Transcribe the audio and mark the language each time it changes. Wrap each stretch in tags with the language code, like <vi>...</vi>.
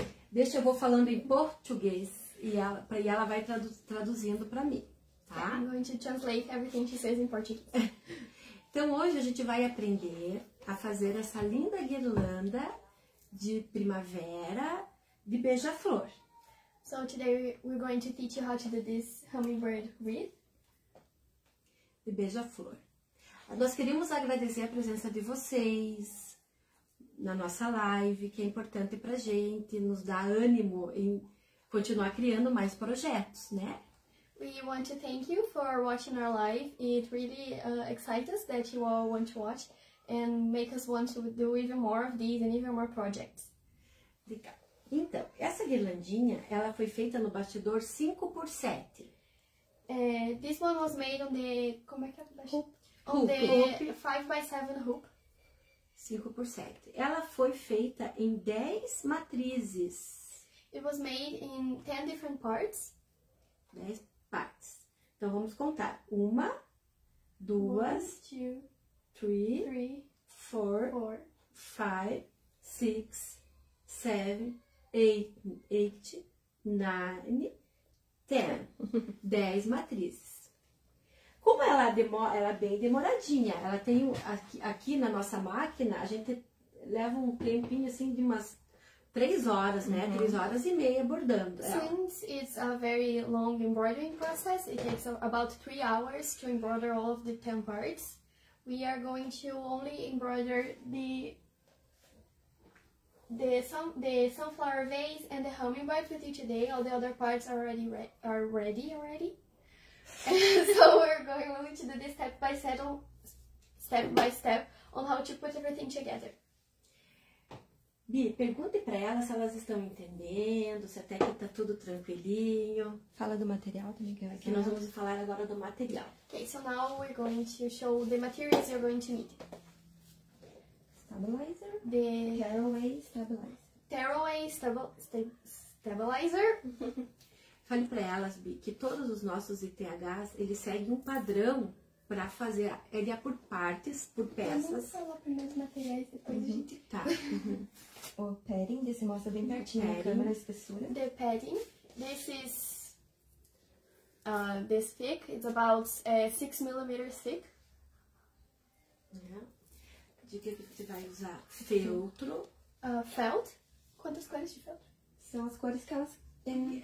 <pt>Deixa eu vou falando em português e ela vai traduzindo para mim, tá?</pt> <en>I'm going to translate everything she says in Portuguese.</en> <pt>Então hoje a gente vai aprender a fazer essa linda guirlanda de primavera de beija-flor.</pt> <en>So today we're going to teach you how to do this hummingbird wreath.</en> <pt>De beija-flor. Nós queríamos agradecer a presença de vocês na nossa live, que é importante pra gente, nos dá ânimo em continuar criando mais projetos, né?</pt> <en>We want to thank you for watching our live. It really excites us that you all want to watch and make us want to do even more of these and even more projects.</en> <pt>Então, essa guirlandinha, ela foi feita no bastidor 5x7.</pt> <en>This one was made on the...</en> <pt>Como é que é o bastidor?</pt> <en>Hoop. On the 5x7 hoop.</en> <pt>5x7. Ela foi feita em 10 matrizes.</pt> <en>It was made in 10 different parts.</en> <pt>10 partes. Então, vamos contar. 1, 2, 3, 4, 5, 6, 7, 8, 9, 10. 10 matrizes. Como ela é bem demoradinha, ela tem aqui na nossa máquina, a gente leva um tempinho assim de umas 3 horas, né? 3 horas e meia bordando.</pt> <en>Since it's a very long embroidering process, it takes about 3 hours to embroider all of the 10 parts. We are going to only embroider the sunflower vase and the hummingbird with you today. All the other parts are ready. So we're going only to do this step by step on how to put everything together.</en> <pt>Bi, pergunte para elas se elas estão entendendo, se até que tá tudo tranquilinho. Fala do material também, que aqui nós vamos falar agora do material.</pt> <en>Okay, so now we're going to show the materials you're going to need. Stabilizer. The Tearaway Stabilizer. Tearaway Stabilizer.</en> <pt>Fale para elas, Bi, que todos os nossos ITHs, eles seguem um padrão para fazer. Ele é por partes, por peças. Vamos falar primeiro os materiais, depois a gente... Tá. O padding, você mostra bem pertinho na câmera, a espessura.</pt> <en>The padding, this is this thick, it's about 6 mm thick.</en> <pt>De que você vai usar? Feltro. Felt. Quantas cores de feltro? São as cores que elas têm.</pt>